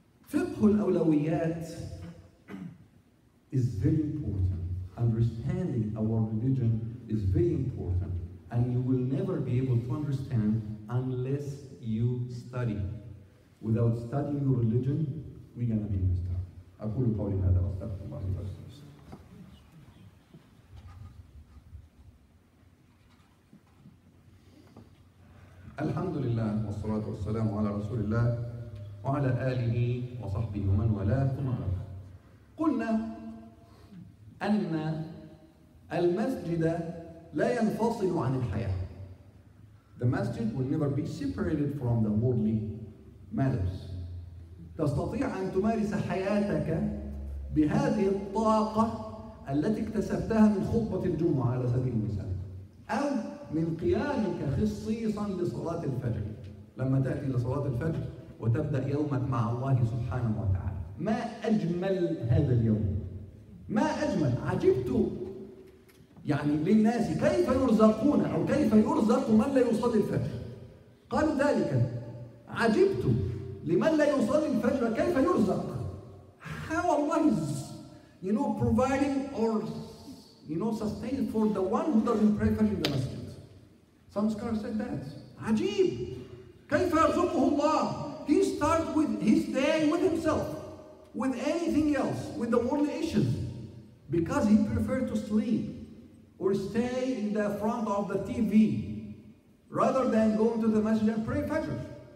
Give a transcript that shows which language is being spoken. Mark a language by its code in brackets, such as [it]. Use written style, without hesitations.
[en] Fiqh al-awlawiyyat is very important. Understanding our religion is very important. And you will never be able to understand unless you study. Without studying your religion, we're gonna be messed up. [ar] أقول قولي هذا وأستغفر الله العظيم. الحمد لله والصلاة والسلام على رسول الله وعلى آله وصحبه ومن والاه. ثم قلنا أن المسجد لا ينفصل عن الحياة. [en] The masjid will never be separated from the worldly matters. [ar] تستطيع أن تمارس حياتك بهذه الطاقة التي اكتسبتها من خطبة الجمعة على سبيل المثال، أو من قيامك خصيصا لصلاة الفجر. لما تأتي لصلاة الفجر وتبدأ يومك مع الله سبحانه وتعالى، ما أجمل هذا اليوم، ما أجمل. عجبت يعني للناس كيف يرزقون، أو كيف يرزق من لا يصلي الفجر. قالوا ذلك، عجبت لمن لا يصلي الفجر كيف يرزق. [en] How Allah is, you know, providing or you know sustaining for the one who doesn't pray Fajr in the masjid. Some scholars said that. [ar] عجيب. كيف يرزقه الله. [en] He starts with his day with himself, with anything else, with the worldly issues, because he preferred to sleep or stay in the front of the TV rather than going to the masjid and pray Fajr.